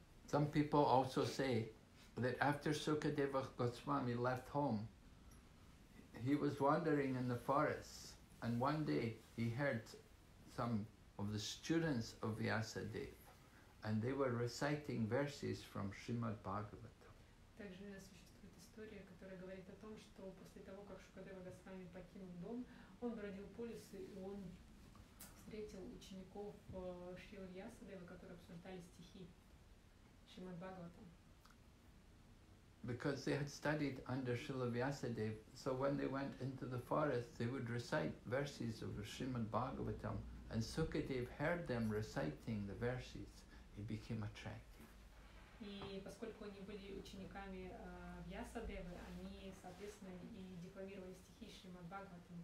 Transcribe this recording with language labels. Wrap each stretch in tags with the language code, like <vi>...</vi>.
<en>Some people also say that after Sukadeva Goswami left home, he was wandering in the forest, and one day he heard some of the students of Vyasadeva, and they were reciting verses from Srimad Bhagavatam.</en> <ru>Также существует история, которая говорит о том, что после того, как Шукадева Госвами покинул дом, он бродил по лесу, и он встретил учеников Шри Вьясадевы, которые обсуждали стихи Шримад Бхагаватам.</ru> <en>Because they had studied under Srila Vyasadeva, so when they went into the forest, they would recite verses of Srimad Bhagavatam. And Sukadev heard them reciting the verses, he became attracted.</en> <ru>И поскольку они были учениками Вьясадевы, они, соответственно, и декламировали стихи Шримад Бхагаватам.</ru>